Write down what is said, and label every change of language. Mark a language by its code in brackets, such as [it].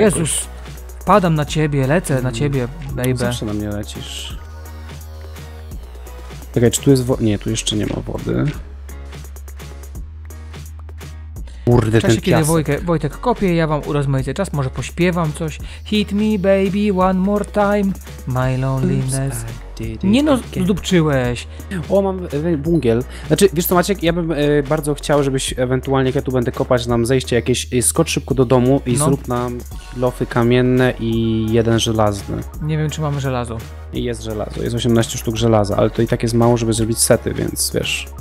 [pl] Jezus, padam na ciebie, lecę na ciebie, baby. Zawsze na mnie lecisz. Czekaj, czy tu jest wody? Nie, tu jeszcze nie ma wody. Kurde, ten piasek. Kiedy Wojtek kopie, ja wam urozmaicę czas, może pośpiewam coś. [en] Hit me, baby, one more time, my loneliness. [pl] Oops, nie no, zdupczyłeś. O, mam bungiel. Znaczy, wiesz co, Maciek, ja bym bardzo chciał, żebyś ewentualnie, jak ja tu będę kopać, nam zejście jakieś, skocz szybko do domu i no. Zrób nam lofy kamienne i jeden żelazny. Nie wiem, czy mamy żelazo. I jest żelazo, jest 18 sztuk żelaza, ale to i tak jest mało, żeby zrobić sety, więc wiesz.